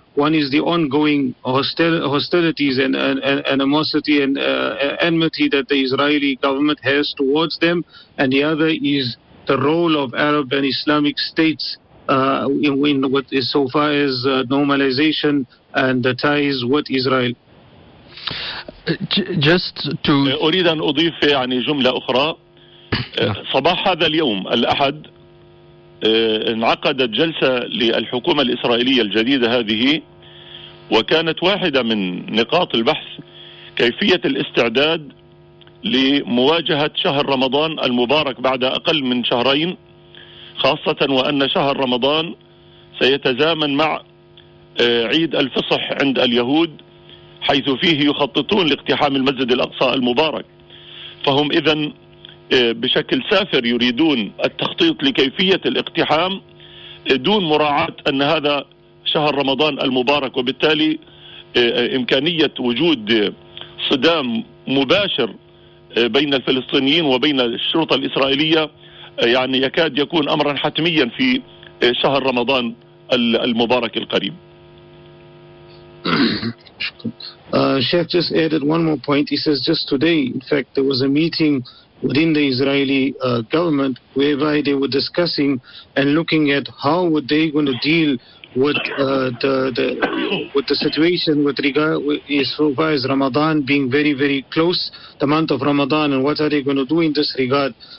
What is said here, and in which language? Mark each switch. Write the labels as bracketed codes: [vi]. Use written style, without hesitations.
[en] One is the ongoing hostilities and animosity and enmity that the Israeli government has towards them, and the other is the role of Arab and Islamic states in what is so far as normalization and the ties with Israel. Just to [ar] أريد أن أضيف يعني جملة أخرى. صباح هذا اليوم الأحد انعقدت جلسة للحكومة الإسرائيلية الجديدة هذه، وكانت واحدة من نقاط البحث كيفية الاستعداد لمواجهة شهر رمضان المبارك بعد أقل من شهرين، خاصة وأن شهر رمضان سيتزامن مع عيد الفصح عند اليهود، حيث فيه يخططون لاقتحام المسجد الأقصى المبارك. فهم إذن بشكل سافر يريدون التخطيط لكيفية الاقتحام دون مراعاة أن هذا شهر رمضان المبارك، وبالتالي إمكانية وجود صدام مباشر بين الفلسطينيين وبين الشرطة الإسرائيلية يعني يكاد يكون أمرا حتميا في شهر رمضان المبارك القريب. [en] Sheikh just added one more point. He says just today in fact there was a meeting within the Israeli government whereby they were discussing and looking at how would they going to deal with the situation with regard so far as Ramadan being very very close, the month of Ramadan, and what are they going to do in this regard